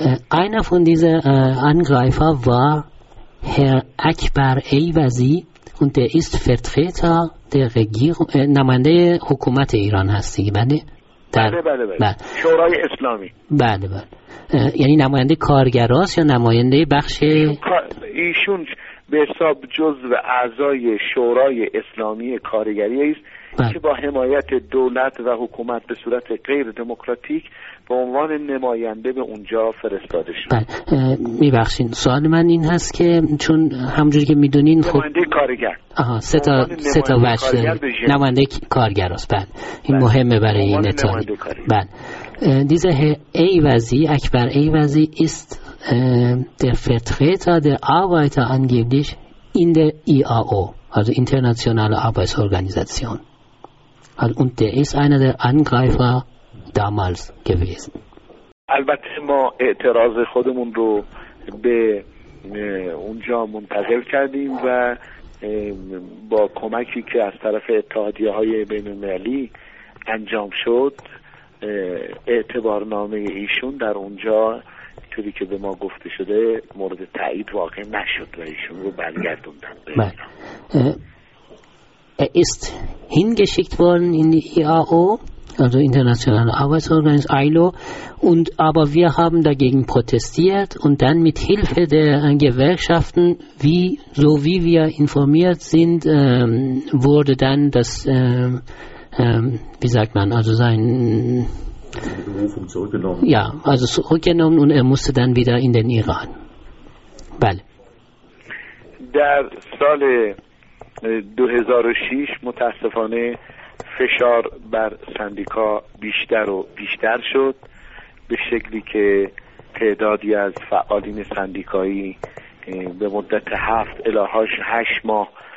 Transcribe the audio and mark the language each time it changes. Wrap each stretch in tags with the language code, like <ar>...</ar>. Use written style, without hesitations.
<de>Einer von diesen Angreifer war Herr Akbar Eyvazi und der ist Vertreter der Regierung,</de> <fa>نماینده حکومت ایران هست دیگه. بله بله شورای اسلامی. بله بله. یعنی نماینده کارگراست یا نماینده بخش ایشون به حساب جزء اعضای شورای اسلامی کارگری است که با حمایت دولت و حکومت به صورت غیر دموکراتیک به عنوان نماینده به اونجا فرستاده شد. بله. میبخشین، سوال من این هست که چون همونجوری که میدونین نماینده کارگر، سه تا وجه داره، نماینده کارگراست. بله. این مهمه برای این اتحاد. بله.</fa> <de>Dieser Herr Eyvazi, Akbar Eyvazi, ist der Vertreter der Arbeiter angeblich in der IAO, also Internationale Arbeitsorganisation. Also, und der ist einer der Angreifer damals gewesen.</de> <fa>البته ما اعتراض خودمون رو به اونجا منتقل کردیم و با کمکی که از طرف اتحادیه‌های بین‌المللی انجام شد، اعتبارنامه ایشون در اونجا طوری که به ما گفته شده مورد تایید واقع نشد و ایشون رو برگردوندن.</fa> <de>Er ist hingeschickt worden in die IAO, also Internationale Arbeitsorganisation ILO, und aber wir haben dagegen protestiert und dann mit Hilfe der Gewerkschaften, so wie wir informiert sind, wurde dann das wie sagt man, also sein Berufung zurückgenommen. Ja, also zurückgenommen und er musste dann wieder in den Iran.</de> <fa>Bale. Der Sale 2006 متاسفانه فشار بر سندیکا بیشتر و بیشتر شد، به شکلی که تعدادی از فعالین سندیکایی به مدت 7 الی 8 ماه</fa>